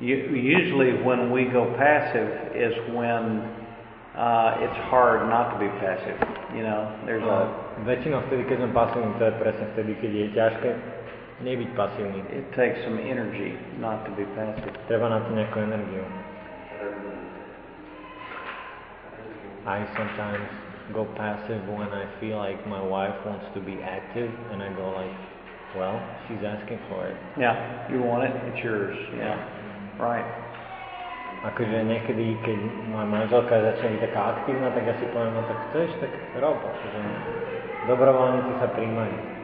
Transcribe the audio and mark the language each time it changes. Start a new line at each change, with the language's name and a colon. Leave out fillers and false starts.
English: Usually when we go passive is when it's hard not to be passive. You know, there's a...
Slovak: Väčšinou vtedy, keď sme pasívni, to je presne vtedy, keď je ťažké. Nebyť pasívny.
English: It takes some energy not to be passive.
Slovak: Treba na to nejakú energiu.
English: I sometimes go passive when I feel like my wife wants to be active, and I go like, well, she's asking for it. Yeah, you want it, it's yours. Yeah. Right.
Slovak: Akože niekedy, keď moja manželka začne byť taká aktívna, tak ja si poviem, no tak chceš, tak rob. Akože dobrovoľne ti sa príjmajú.